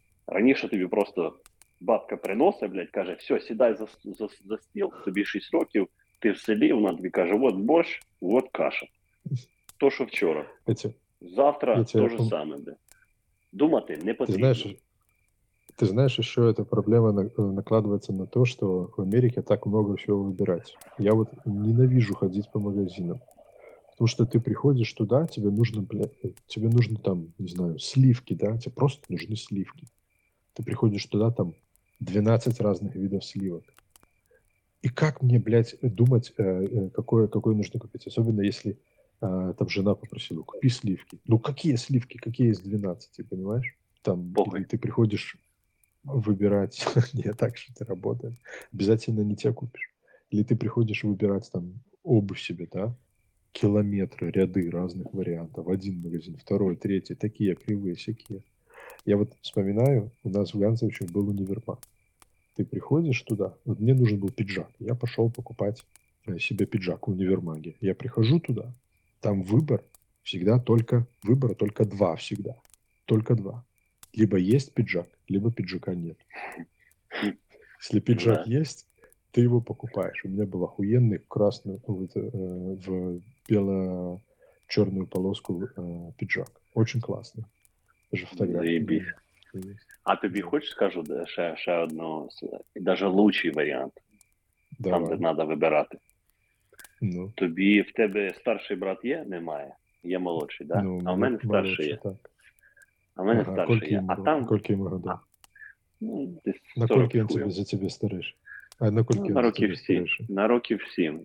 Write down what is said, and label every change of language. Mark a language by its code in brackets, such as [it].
[uk] Раніше тобі просто бабка приносить, блядь, каже, все, сідай за стіл, тобі 6 років, ти в селі, вона тобі каже, от борщ, от каша. То, що вчора. Завтра то же саме, блядь. Думати не потрібно. Ти знаєш, що ця проблема накладається на те, що в Америці так багато всього вибирати. Я от ненавижу ходити по магазинам. Тому що ти приходиш туди, тобі потрібно там, не знаю, сливки, да? Тебе просто потрібні сливки. Ти приходиш туди, там 12 різних видів сливок. І як мені, блядь, думати, яке потрібно купити? Особливо, якщо... [ru] там жена попросила, купи сливки. Ну какие сливки, какие из 12, понимаешь? Там ты приходишь выбирать, не так что ты работаешь, обязательно не те купишь. Или ты приходишь выбирать там обувь себе, да? Километры, ряды разных вариантов. Один магазин, второй, третий, такие, кривые, всякие. Я вот вспоминаю, у нас в Ганзовиче был универмаг. Ты приходишь туда, вот мне нужен был пиджак. Я пошел покупать себе пиджак в универмаге. Я прихожу туда, там выбор всегда только, выбора только два всегда. Только два. Либо есть пиджак, либо пиджака нет. Если пиджак есть, ты его покупаешь. У меня был охуенный красный, в бело-черную полоску пиджак. Очень классный. Даже фотографии. А ты мне хочешь скажу еще одно, даже лучший вариант? Там, где надо выбирать. Ну. [uk] Тобі, в тебе старший брат є? Немає. Є молодший, да? Ну, а в мене старший молодший, є. Так. А в мене старший є. Кольки йому років? Ну, на кольки він за тебе старіший? А на кольки на років 7. На років 7.